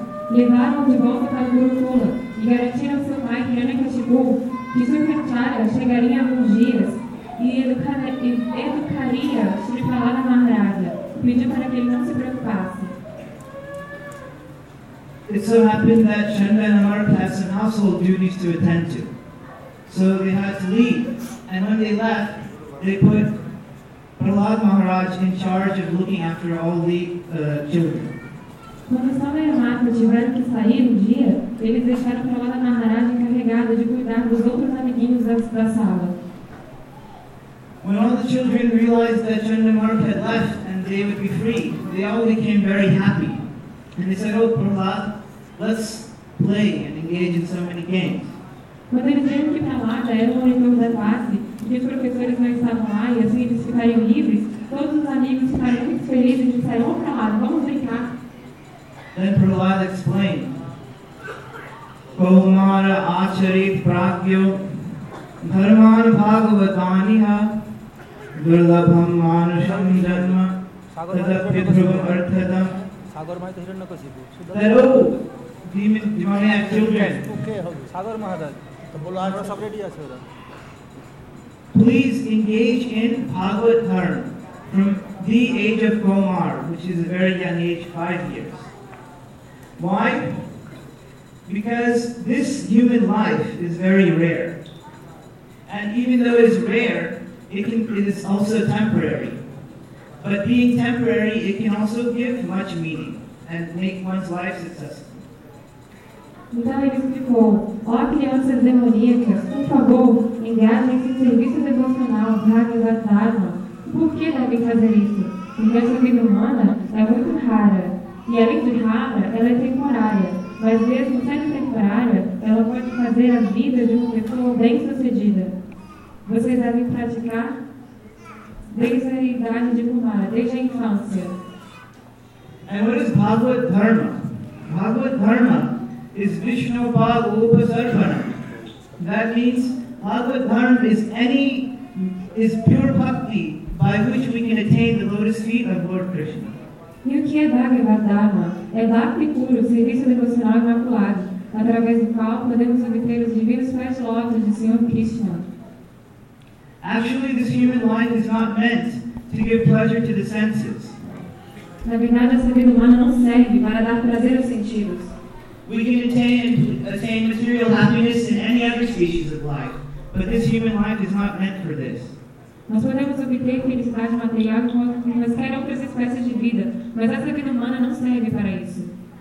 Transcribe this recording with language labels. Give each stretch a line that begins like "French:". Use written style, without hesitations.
Portuguese: Levaram de volta para Gurukula e garantiram seu pai Hiranyakashipu que Shukracharya chegaria em alguns dias e educaria Sri Prahlada Maharaja. Pediu para que ele não se preocupasse.
English: It so happened that Shanda and Amar had some household duties to attend to. So they had to leave. And when they left, they put Prahlada Maharaj in charge of looking after all the children.
Portuguese: Quando Sama e Amarta tiveram que sair um dia, eles deixaram Prahlada Maharaj encarregada de cuidar dos outros amiguinhos da sala.
English: When all the children realized that Chandramarta had left and they would be free, they all became very happy. And they said, oh Prahlad, let's play and engage in so many games.
Portuguese: Quando eles viram que Prahlada era o monitor da classe, e que os professores não estavam lá e assim eles ficariam livres, todos os amigos ficaram muito felizes e disseram, oh Prahlada, vamos brincar.
English: Then Prahlad explained,
Sanskrit: Kaumara acharit prakyo dharman bhagavatanya durlabham manasham janma tadapitrubham arthadam.
English: Then, oh, demoniac children, please engage in Bhagavad Dharma from the age of Kaumara, which is a very young age, 5 years. Why? Because this human life is very rare. And even though it is rare, it is also temporary. But being temporary, it can also give much meaning and make one's life successful.
Portuguese: Então ele explicou, ó crianças demoníacas, por favor, engajem-se em serviço devocional para ajudar a Dharma. Por que devem fazer isso? Porque essa vida humana é muito rara. E além de rara, ela é temporária, mas mesmo sendo temporária, ela pode fazer a vida de uma pessoa bem sucedida. Vocês devem praticar desde a idade de Kumara, desde a infância.
English: And what is Bhagavad Dharma? Bhagavad Dharma is Vishnu Bhag Upasarvana. That means Bhagavad Dharma is pure bhakti by which we can attain the lotus feet of Lord Krishna.
Portuguese: E o que é Bhagavad Dharma? É Bhakti puro, serviço devocional imaculado, através do qual podemos obter os divinos pés lotos de Senhor Krishna.
English: Actually, this human life is not meant to give pleasure to the senses.
Portuguese: Na verdade, essa vida humana não serve para dar prazer aos sentidos.
English: We can attain material happiness in any other species of life, but this human life is not meant for this.
Portuguese: Nós podemos obter felicidade material com quaisquer outras espécies de vida, mas essa vida humana não serve para isso.